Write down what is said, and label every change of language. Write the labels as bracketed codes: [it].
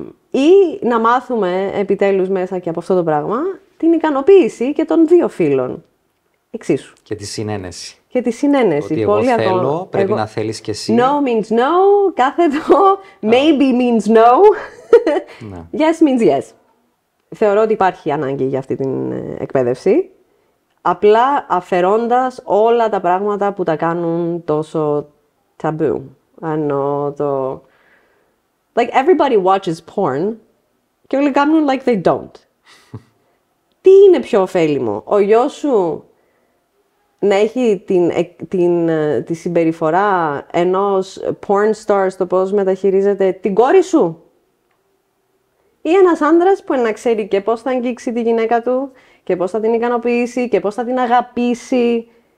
[el] Ή να μάθουμε επιτέλους μέσα και από αυτό το πράγμα την ικανοποίηση και των δύο φύλων εξίσου. Και τη συνένεση. Και τη συνένεση. Ότι εγώ πολύ θέλω, ακόμα, πρέπει να θέλεις και εσύ. [en] No means no, [el] κάθετο, [en] maybe means no. Yes means yes. [el] Θεωρώ ότι υπάρχει ανάγκη για αυτή την εκπαίδευση. Απλά αφαιρώντας όλα τα πράγματα που τα κάνουν τόσο ταμπού. Ενώ το... [en] Like, everybody watches porn [el] και όλοι κάνουν [en] like they don't. [el] Τι είναι πιο ωφέλιμο, ο γιος σου να έχει τη συμπεριφορά ενός porn star στο πώς μεταχειρίζεται την κόρη σου, ή ένας άντρας που να ξέρει και πώς θα αγγίξει τη γυναίκα του και πώς θα την ικανοποιήσει και πώς θα την αγαπήσει.